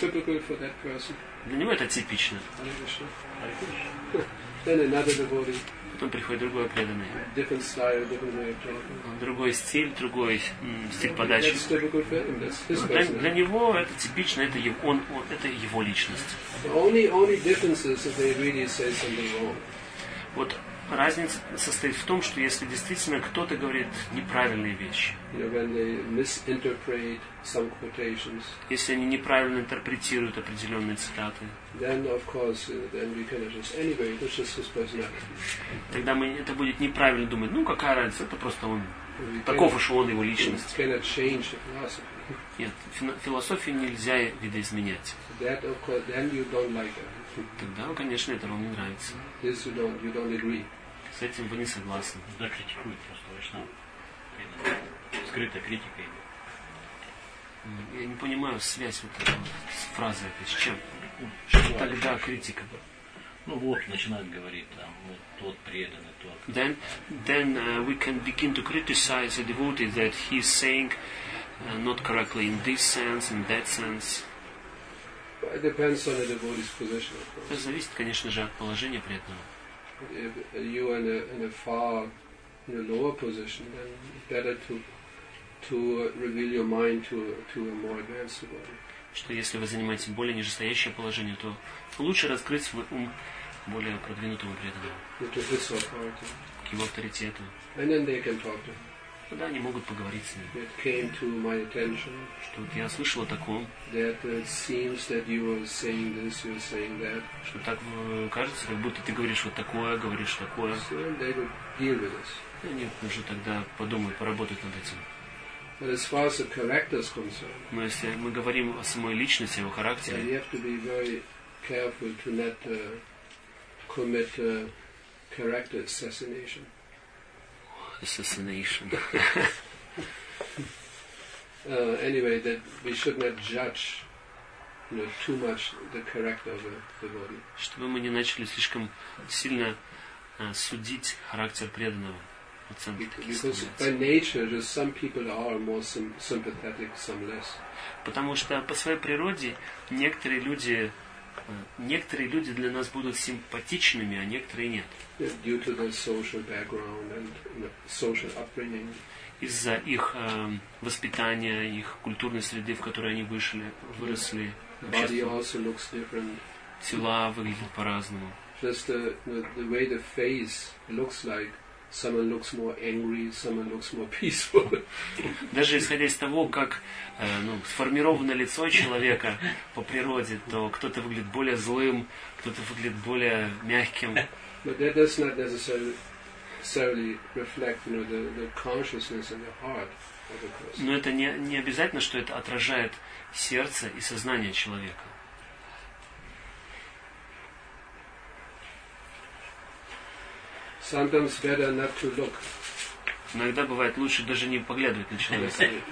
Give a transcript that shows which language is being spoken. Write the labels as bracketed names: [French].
[Russian] Для него это типично. Потом приходит другой преданный. [English] Different style, different way of talking. [Russian] Другой стиль, другой стиль подачи. [English] That's typical for him. That's his personality. [Russian] Для него это типично, это его, он, это его личность. [English] The only difference is if they really say something wrong. [Russian] Вот разница состоит в том, что если действительно кто-то говорит неправильные вещи. [English] You know, when they misinterpret some quotations. [Russian] Если они неправильно интерпретируют определенные цитаты. [English] Then of course, then we can adjust anyway. It's just his personality. [Russian] Тогда мы это будет неправильно думать. Ну какая разница? Это просто он. Таков уж он, его личность. [English] Cannot change the philosophy. [Russian] Нет, философию нельзя видоизменять. [English] That of course, then you don't like it. [Russian] Тогда, конечно, это вам не нравится. [English] Yes, you don't agree. [Russian] С этим вы не согласны. Да, критикует просто вайшнава. Скрытая критика. Я не понимаю связь вот этого, с фразой этой, с чем? Что тогда критика? Ну вот, начинает говорить, там, вот тот преданный, тот. [English] Then we can begin to criticize a devotee that he is saying not correctly in this sense, in that sense. It depends on the devotee's position, of course. [Russian] Это зависит, конечно же, от положения преданного. [English] If you are in a far, in a lower position, then better to reveal your mind to a more advanced devotee. [Russian] Что если вы занимаете более нижестоящее положение, то лучше раскрыть свой ум более продвинутому преданному. [English] To his authority. [Russian] К его авторитету. [English] And then they can talk to. [Russian] Да, они могут поговорить с ним. [English] It came to my attention, [Russian] что вот я слышал о таком. [English] That it seems that you are saying this, you are saying that. [Russian] Что так кажется, как будто ты говоришь вот такое, говоришь такое. [English] So they will deal with this. [Russian] И они уже тогда подумают, поработают над этим. [English] But as far as the character is concerned. [Russian] Но если мы говорим о самой личности, о его характере. [English] You have to be very careful to not commit character assassination. Assassination. anyway, that we should not judge, you know, too much the character of the body. [Russian] Чтобы мы не начали слишком сильно судить характер преданного. [English] Because by nature, just some people are more sympathetic, some less. [Russian] Потому что по своей природе некоторые люди для нас будут симпатичными, а некоторые нет. [English] Due to their social background and social upbringing. [Russian] Из-за их воспитания, их культурной среды, в которой они выросли. [English] Body also looks different. [Russian] Тела выглядят по-разному. [English] just the way the face looks like. Someone looks more angry, someone looks more peaceful. [Russian] Даже исходя из того, как сформировано лицо человека по природе, то кто-то выглядит более злым, кто-то выглядит более мягким. [English] But that does not necessarily reflect, the consciousness and the heart. [Russian] Но это не обязательно, что это отражает сердце и сознание человека. [English] Sometimes better not to look. [Russian] Иногда бывает лучше даже не поглядывать на человека.